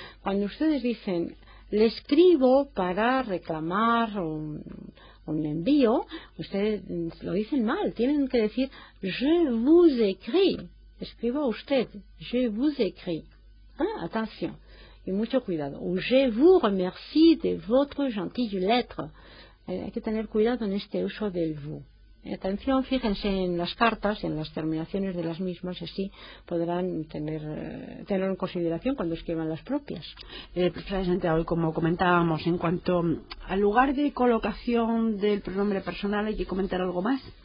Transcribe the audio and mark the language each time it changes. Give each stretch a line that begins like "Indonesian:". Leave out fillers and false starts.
Spanish: Cuando ustedes dicen le escribo para reclamar un envío, ustedes lo dicen mal, tienen que decir
French: je vous écris,
Spanish: escribo a usted, je vous écris. Ah, atención, y mucho cuidado.
French: O je vous remercie de votre gentille lettre.
Spanish: Hay que tener cuidado en este uso del vous. Atención, fíjense en las cartas, en las terminaciones de las mismas, así podrán tener en consideración cuando escriban las propias. Precisamente hoy, como comentábamos, en cuanto al lugar de colocación del pronombre personal, ¿hay que comentar algo más?